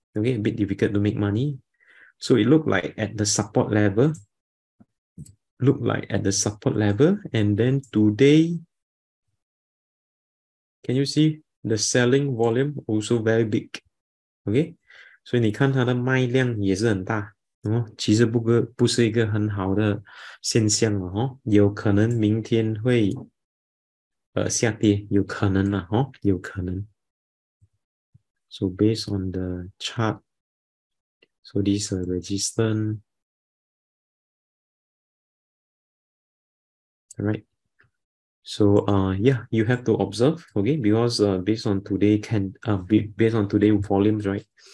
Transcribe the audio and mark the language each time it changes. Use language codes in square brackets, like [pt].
[en] Okay, a bit difficult to make money. So it looked like at the support level, looked like at the support level. And then today, can you see the selling volume also very big? Okay, so you can see the [zh] 卖量也是很大。其实不是一个很好的现象哦，有可能明天会下跌有可能啦，哦，有可能。 [en] So based on the chart, so this is a resistance, right? So yeah, you have to observe, okay? Because based on today volumes, right?